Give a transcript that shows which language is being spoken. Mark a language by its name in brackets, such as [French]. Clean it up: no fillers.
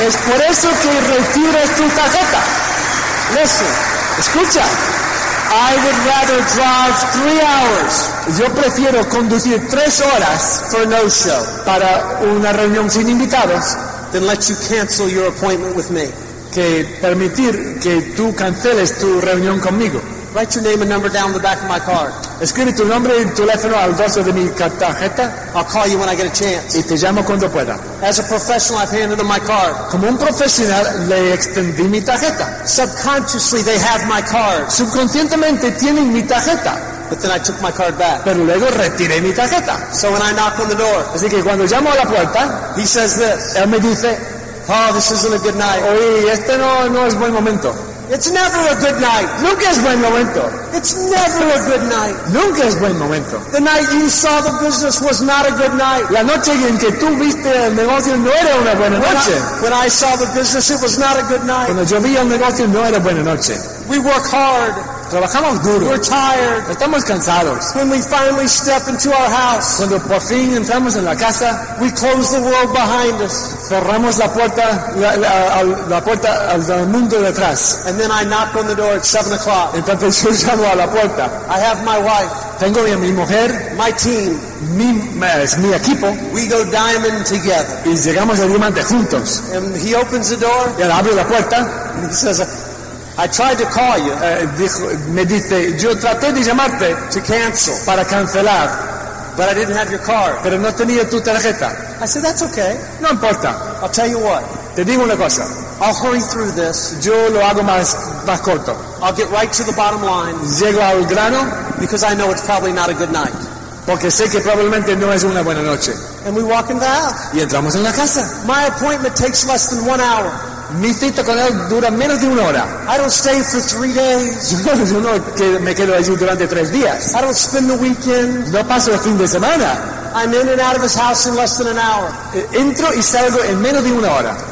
[Spanish] Es por eso que retiras tu tarjeta. [English] Listen. [Spanish] Escucha. [English] I would rather drive 3 hours. [Spanish] Yo prefiero conducir 3 horas [English] for no show. [Spanish] Para una reunión sin invitados. [English] Than let you cancel your appointment with me. [Spanish] Que permitir que tú canceles tu reunión conmigo. [English] Write your name and number down the back of my card. [Spanish] Escribe tu nombre y teléfono al dorso de mi tarjeta. [English] I'll call you when I get a chance. [Spanish] Y te llamo cuando pueda. [English] As a professional, I've handed them my card. [Spanish] Como un profesional, le extendí mi tarjeta. [English] Subconsciously, they have my card. [Spanish] Subconscientemente, tienen mi tarjeta. [English] But then I took my card back. [Spanish] Pero luego retiré mi tarjeta. [English] So when I knock on the door, [Spanish] así que cuando llamo a la puerta, [English] he says this. [Spanish] Él me dice, [English] oh, this isn't a good night. [Spanish] Oye, este no es buen momento. [English] It's never a good night. [Spanish] Nunca es buen momento. [English] It's never a good night. [Spanish] Nunca es buen momento. [English] The night you saw the business was not a good night. [Spanish] La noche en que tú viste el negocio no era una buena noche. [English] When I saw the business, it was not a good night. [Spanish] Cuando yo vi el negocio no era buena noche. [English] We work hard. [Spanish] Trabajamos duro. [English] We're tired. [Spanish] Estamos cansados. [English] When we finally step into our house, [Spanish] cuando por fin entramos en la casa, [English] we close the world behind us. [Spanish] Cerramos la puerta al mundo detrás. [English] And then I knock on the door at 7 o'clock. [Spanish] Entonces yo llamo a la puerta. [English] I have my wife. [Spanish] Tengo a mi mujer. [English] My team. [Spanish] Mi equipo. [English] We go diamond together. [Spanish] Y llegamos a diamante juntos. [English] And he opens the door. [Spanish] Y él abre la puerta. [English] And he says, I tried to call you. [Spanish] Me dice, yo traté de llamarte [English] to cancel, [Spanish] para cancelar, [English] but I didn't have your card. [Spanish] Pero no tenía tu tarjeta. [English] I said, that's okay. [Spanish] No importa. [English] I'll tell you what. [Spanish] Te digo una cosa. [English] I'll hurry through this. [Spanish] Yo lo hago más corto. [English] I'll get right to the bottom line. [Spanish] Llego al grano. [English] Because I know it's probably not a good night. [Spanish] Porque sé que probablemente no es una buena noche. [English] And we walk in the house. [Spanish] Y entramos en la casa. [English] My appointment takes less than 1 hour. [Spanish] Mi cita con él dura menos de una hora. [English] I don't stay for 3 days. [Spanish] Yo no me quedo allí durante 3 días. [English] I don't spend the weekend. [Spanish] No paso el fin de semana. [English] I'm in and out of his house in less than an hour. [Spanish] Entro y salgo en menos de una hora.